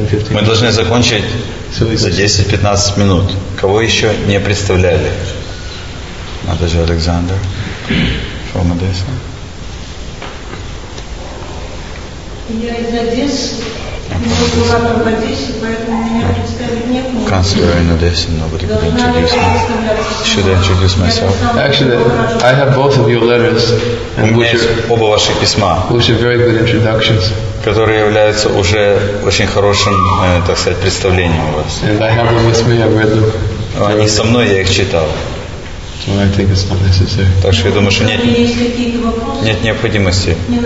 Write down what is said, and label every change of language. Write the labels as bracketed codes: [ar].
[ru] Мы должны закончить за 10-15 минут. Кого еще не представляли? Надо же Александр. [en] From Odessa. [ru] Я из Одессы, но Кулатор в Одессе, поэтому меня представить некому. [en] Can't swear in Odessa, nobody could introduce me. Should I introduce myself? Actually, I have both of your letters, and which are [ru] оба ваших письма, [en] which are very good introductions, [ru] которые являются уже очень хорошим, так сказать, представлением у вас. [en] And I have them with me, I've read them. [ru] Они со мной, я их читал. [en] Well, I think it's not necessary. [ru] Так что я думаю, что нет, нет необходимости.